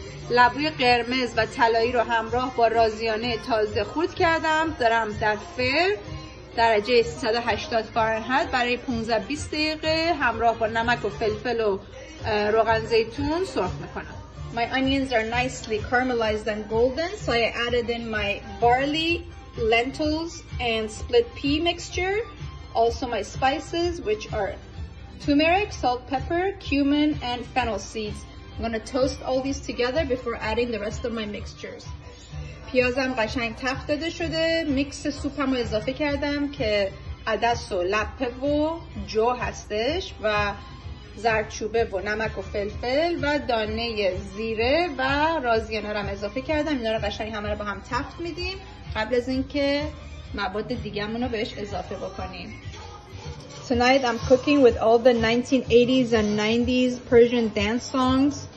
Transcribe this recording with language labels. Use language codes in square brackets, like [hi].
[fa] لبوی قرمز و طلایی رو همراه با رازیانه تازه خرد کردم. دارم در فر درجه 180 فارنهایت برای 15-20 دقیقه همراه با نمک و فلفل و روغن زیتون سرخ میکنم. [en] My onions are nicely caramelized and golden, so I added in my barley, lentils and split pea mixture. Also my spices, which are turmeric, salt, pepper, cumin and fennel seeds. I'm gonna toast all these together before adding the rest of my mixtures. [fa] پیازم قشنگ تفت داده شده. میکس سوپم رو اضافه کردم که عدس و لپه و جو هستش و زردچوبه و نمک و فلفل و دانه زیره و رازیانه رو هم اضافه کردم. اینا رو قشنگ همه رو با هم تفت میدیم قبل از اینکه مواد دیگه‌مون رو بهش اضافه بکنیم. [en] Tonight I'm cooking with all the 1980s and 90s Persian dance songs.